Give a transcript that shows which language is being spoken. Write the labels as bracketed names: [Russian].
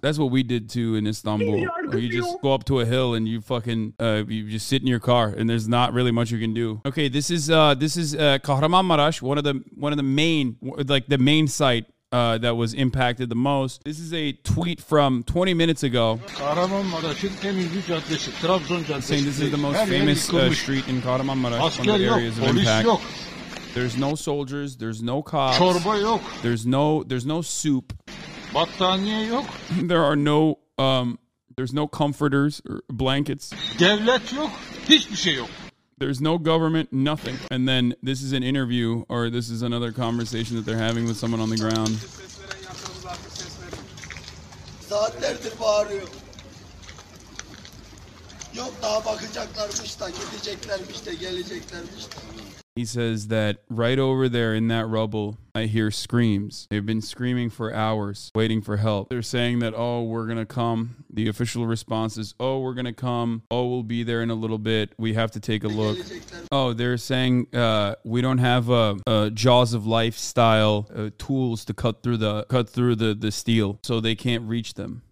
[English] That's what we did too in Istanbul. You just go up to a hill and you fucking you just sit in your car, and there's not really much you can do. Okay, this is Kahramanmaraş, one of the main site that was impacted the most. This is a tweet from 20 minutes ago. [Turkish] Kahramanmaraş'ın en ünlü caddesi, Trabzon caddesi. [English] Saying this is the most famous street in Kahramanmaraş, one of the areas of impact. [Turkish] Yok. [English] There's no soldiers, there's no cops. [Turkish] Çorba yok. [English] There's no soup. [Turkish] Battaniye yok. [English] There are no There's no comforters or blankets. [Turkish] Devlet yok, hiçbir şey yok. [English] There's no government, nothing. And then this is an interview, or this is another conversation that they're having with someone on the ground. [Turkish] Saatlerdir bağırıyor. Yok daha bakacaklarmış da, gideceklermiş de, geleceklermiş de. [English] He says that right over there in that rubble, I hear screams. They've been screaming for hours, waiting for help. They're saying that, oh, we're going to come. The official response is, oh, we're going to come. Oh, we'll be there in a little bit. We have to take a look. Oh, they're saying we don't have a jaws of life style tools to cut through the steel, so they can't reach them.